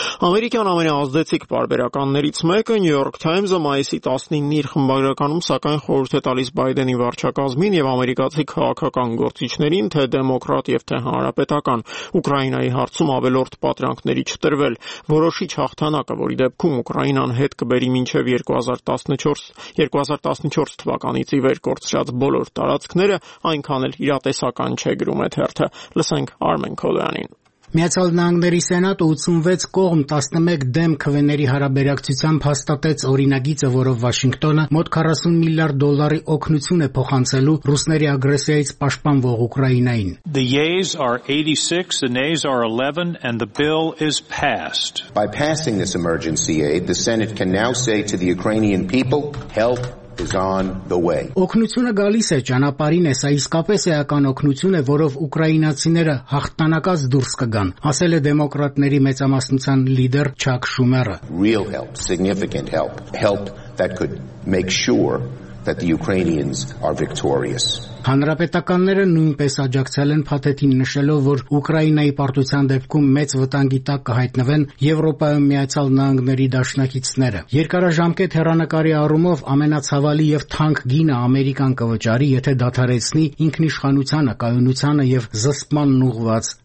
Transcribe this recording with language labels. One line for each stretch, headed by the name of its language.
Armenian: Ամերիկյան ամենաազդեցիկ պարբերականներից մեկը Նյու Յորք Թայմզը մայիսի 19-ին իր խմբագրականում սակայն խորհուրդ է տալիս Բայդենի վարչակազմին և ամերիկացի քաղաքական գործիչներին, թե դեմոկրատ և թե հանրապետական, Ուկրաինայի հարցում ավելորդ պատրանքների չտրվել։ Որոշիչ հաղթանակը, որի դեպքում Ուկրաինան հետ կբերի մինչև 2014 թվականից ի վեր կորցրած բոլոր տարածքները, այնքան էլ իրատեսական չէ, գրում է թերթը։ Լսենք Արմեն Քոլյանին։ Միացյալ Նահանգների Սենատ 86 կողմ 11 դեմ քվեների հարաբերակցությամբ հաստատեց օրինագիծը, որով Վաշինգտոնը մոտ 40 միլիարդ դոլարի օգնություն է փոխանցելու ռուսների ագրեսիայից պաշտպանվող Ուկրաինային։
English: The yeas are 86, the nays are 11 and the bill is passed. By passing this emergency aid, the Senate can now say to the Ukrainian people, help is on the way.
Armenian: Օգնությունը գալիս է ճանապարհին, սա իսկապես էական օգնություն է, որով ուկրաինացիները հաղթանակած դուրս կգան, ասել է դեմոկրատների մեծամասնության լիդեր Չակ Շումերը.
English: Real help, significant help, help that could make sure that the Ukrainians are victorious.
Armenian: Հանրապետականները նույնպես աջակցել են փաթեթին, նշելով, որ Ուկրաինայի պարտության դեպքում մեծ վտանգի տակ կհայտնվեն Եվրոպայում Միացյալ Նահանգների դաշնակիցները։ Երկարաժամկետ հեռանկարի առումով ամենացավալի և թանկ գինը Ամերիկան կվճարի, եթե դադարեցնի ինքնիշխանությանը, կայունությանը և զսպման ուղված